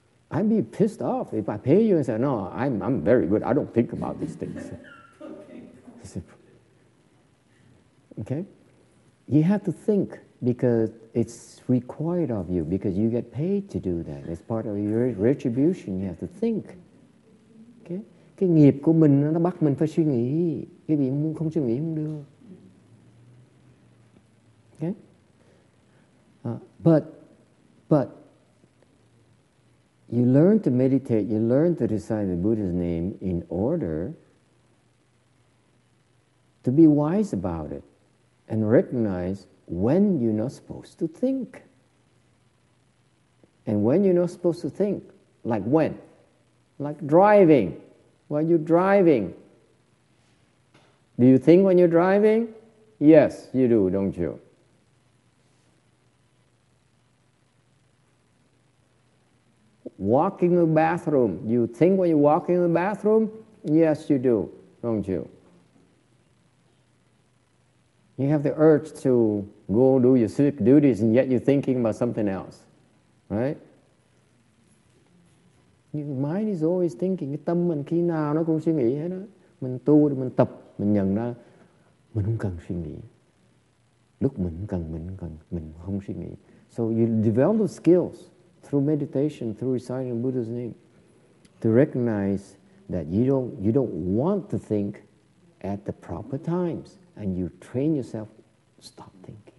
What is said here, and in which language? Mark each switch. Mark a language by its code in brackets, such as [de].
[en] I'd be pissed off if I pay you and say, no, I'm very good. I don't think about these things. Okay? You have to think because it's required of you because you get paid to do that. It's part of your retribution. You have to think. Okay? [vi] Cái nghiệp của mình nó bắt mình phải suy nghĩ. Cái gì không suy nghĩ không được. Okay? [en] But, you learn to meditate, you learn to recite the Buddha's name in order to be wise about it and recognize when you're not supposed to think. And when you're not supposed to think, like when? Like driving. While you're driving. Do you think when you're driving? Yes, you do, don't you? Walking in the bathroom. You think when you walk in the bathroom? Yes, you do, don't you? You have the urge to go do your civic duties and yet you're thinking about something else, right? Your mind is always thinking. [vi] Cái tâm mình khi nào nó cũng suy nghĩ hết đó. Mình tu, mình tập, mình nhận ra mình không cần suy nghĩ. Lúc mình cần, mình không suy nghĩ. [en] So you develop the skills through meditation, through reciting Buddha's name, to recognize that you don't want to think at the proper times, and you train yourself to stop thinking.